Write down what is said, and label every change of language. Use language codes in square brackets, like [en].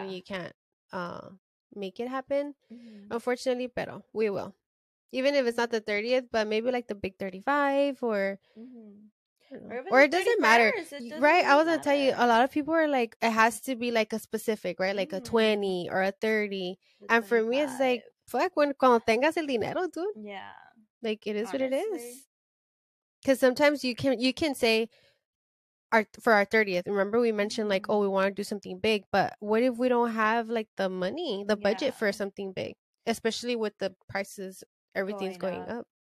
[en] I mean, you can't make it happen. Mm-hmm. Unfortunately, pero we will. Even if it's not the 30th, but maybe like the big 35 or... Or it doesn't matter. Right? I was going to tell you, a lot of people are like, it has to be like a specific, right? Like a 20 or a 30. And for me, it's like... [es] Fuck, cuando tengas el dinero, dude. [en] Yeah. Like, it is honestly. What it is. Because sometimes you can say, for our 30th, remember we mentioned, like, oh, we want to do something big. But what if we don't have, like, the money, the budget for something big? Especially with the prices, everything's going up.